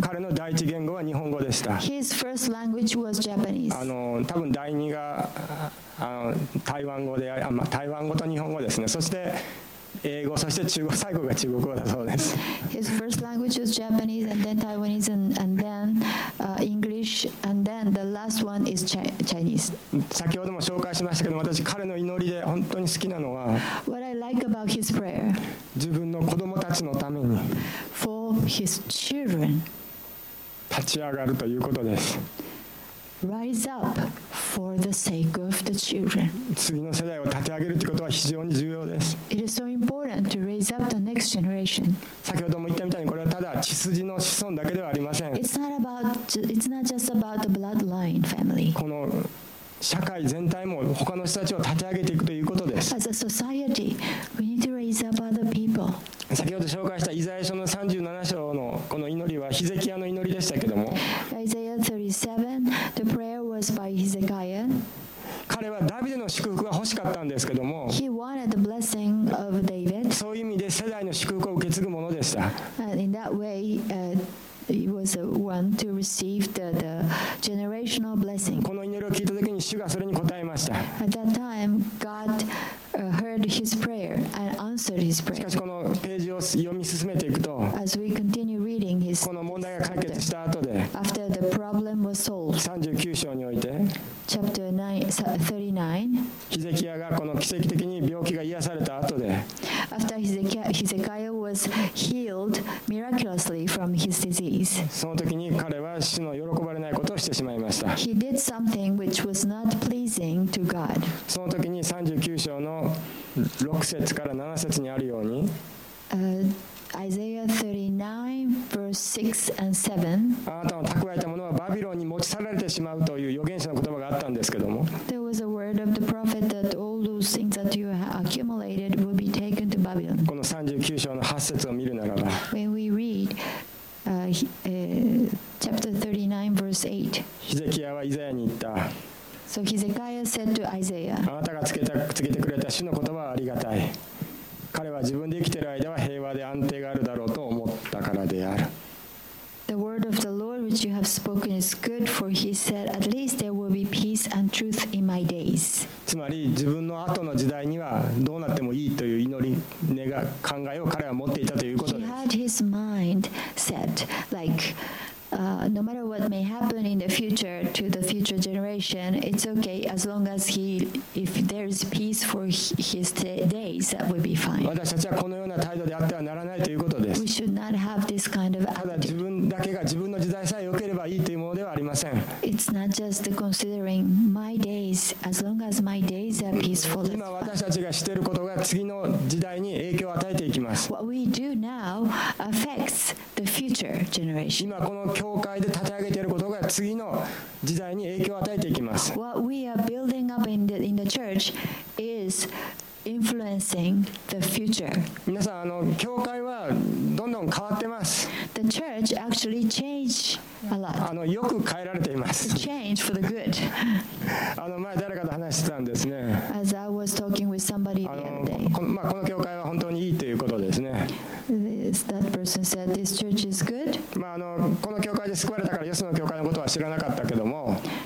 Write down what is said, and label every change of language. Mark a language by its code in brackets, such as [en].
[ja] 彼の第一言語は日本語でした。 [en] His first language was Japanese. [ja] 多分第二が台湾語で、台湾語と日本語ですね。そして英語、そして中国、最後が中国語だそうです。 [en] His first language was Japanese, and then Taiwanese, and then English, and then the last one is Chinese. [ja] 先ほども紹介しましたけど、私彼の祈りで本当に好きなのは、 [en] What I like about his prayer, [ja] 自分の子供たちのために、 [en] For his children, [ja] 立ち上がるということです。 [en] Rise up for the sake of the children. [ja] 次の世代を立て上げるということは非常に重要です。 [en] It is so important to raise up the next generation. [ja] 先ほども言ったみたいにこれはただ血筋の子孫だけではありません。 [en] It's not just about the bloodline family. [ja] この社会全体も他の人たちを立て上げていくということです。 [en] As a society, we need to raise up other people. [ja] 先ほど紹介したイザヤ書の37章のこの祈りはヒゼキヤの祈りでしたけども。 [en] Isaiah 37, the prayer was by Hezekiah. [ja] 彼はダビデの祝福が欲しかったんですけども。 [en] He wanted the blessing of David. [ja] そういう意味で世代の祝福を受け継ぐものでした。 [en] And in that way, He was the one to receive the generational blessing. [ja] この祈りを聞いた時に主がそれに答えました。 [en] At that time, God heard his prayer and answered his prayer. [ja] しかしこのページを読み進めていくと、 [en] As we continue reading his [ja] この問題が解決した後で、 [en] After the problem was solved, [ja] 39章において、 [en] Chapter 39, [ja] ヒゼキヤがこの奇跡的に病気が癒された後で、 [en] After Hezekiah was healed miraculously from his disease. [ja] その時に彼は主の喜ばれないことをしてしまいました。 [en] He did something which was not pleasing to God. [ja] その時に39章の6節から7節にあるように、 [en] Isaiah 39, verse 6 and 7. [ja] あなたの蓄えたものはバビロンに持ち去られてしまうという預言者の言葉があったんですけども。 [en] There was a word of the prophet that all those things that you have accumulated will be taken to Babylon. [ja] この39章の8節を見るならば、 [en] When we read Chapter 39, verse 8. [ja] ヒゼキヤはイザヤに言った。 [en] So So Hezekiah said to Isaiah, [ja] あなたがつけてくれた主の言葉はありがたい。彼は自分で生きている間は平和で安定があるだろうと思ったからである。 [en] The word of the Lord which you have spoken is good, for he said, at least there will be peace and truth in my days. [ja] つまり自分の後の時代にはどうなってもいいという祈り、考えを彼は持っていたということです。 [en] He had his mind set, like, no matter what may happen in the future to the future generation, it's okay as long as he, if there is peace for his days, that would be fine. [ja] 私たちはこのような態度であってはならないということです。 [en] We should not have this kind of attitude. [ja] ただ自分だけが自分の時代さえ良ければいいというものではありません。 [en] It's not just considering my days, as long as my days are peaceful. [ja] 今私たちがしていることが次の時代に影響を与えていきます。 [en] What we do now affects the future generation. [ja] 今この教会で立ち上げていることが次の時代に影響を与えていきます。 [en] What we are building up in the church is influencing the future. [ja] 皆さん、教会はどんどん変わってます。 [en] The church actually changed a lot. [ja] よく変えられています。 [en] Change for the good. [ja] 前誰かと話してたんですね。 [en] As I was talking with somebody the other day. [ja] この教会は本当にいいということですね。 [en] That person said this church is good. [ja] この教会で救われたからイエスの教会のことは知らなかったけども。